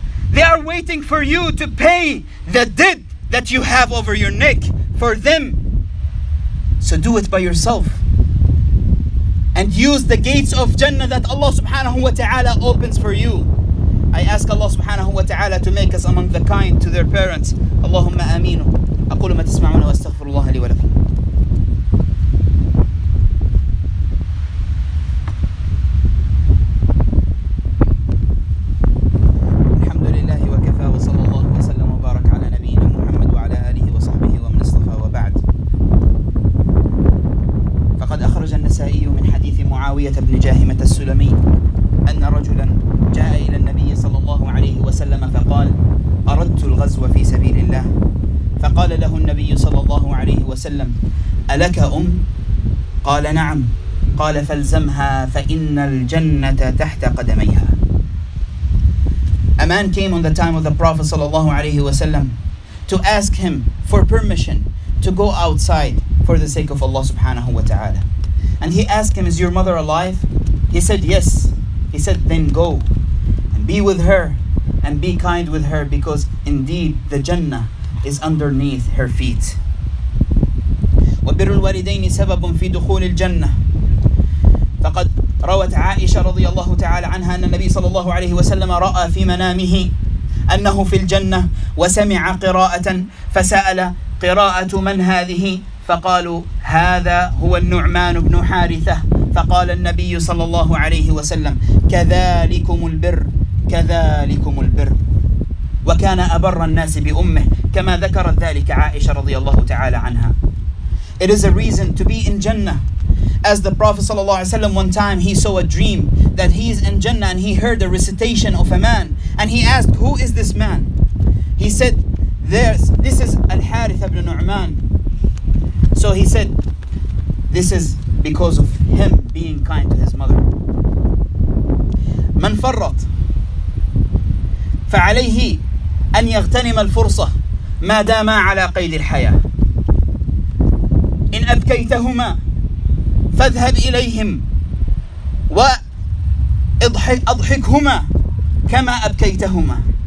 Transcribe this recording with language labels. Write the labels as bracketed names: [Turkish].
[English] They are waiting for you to pay the debt that you have over your neck for them. So do it by yourself. And use the gates of Jannah that Allah subhanahu wa ta'ala opens for you. I ask Allah subhanahu wa ta'ala to make us among the kind to their parents. [Arabic] Allahumma ameen. أقول ما تسمعون وأستغفر الله لي ولكم. الحمد لله وكفى، وصلى الله وسلم وبارك على نبينا محمد وعلى آله وصحبه ومن اصطفى، وبعد. فقد أخرج النسائي من حديث معاوية بن جاهمة السلمي أن رجلا جاء إلى النبي صلى الله عليه وسلم فقال: أردت الغزو في سبيل الله. فقال له النبي صلى الله عليه وسلم: ألك أم؟ قال: نعم. قال: فالزمها فإن الجنة تحت قدميها. [English] A man came on the time of the Prophet [Arabic] صلى الله عليه وسلم [English] to ask him for permission to go outside for the sake of Allah subhanahu wa ta'ala. And he asked him, is your mother alive? He said, yes. He said, then go and be with her and be kind with her, because indeed the Jannah is underneath her feet. [Arabic] وبر الوالدين سبب في دخول الجنة. فقد روت عائشة رضي الله تعالى عنها أن النبي صلى الله عليه وسلم رأى في منامه أنه في الجنة وسمع قراءة، فسأل: قراءة من هذه؟ فقالوا: هذا هو النعمان بن حارثة. فقال النبي صلى الله عليه وسلم: كذلكم البر، كذلكم البر. وكان أبر الناس بأمه كما ذكرت ذلك عائشة رضي الله تعالى عنها. [English] It is a reason to be in Jannah. As the Prophet [Arabic] صلى الله عليه وسلم, [English] one time he saw a dream that he is in Jannah and he heard the recitation of a man, and he asked, who is this man? He said, this is Al-Harith ibn Nu'man. So he said, this is because of him being kind to his mother. [Arabic] من فرط فعليه أن يغتنم الفرصة ما داما على قيد الحياة. إن أبكيتهما فاذهب إليهم وأضحكهما كما أبكيتهما.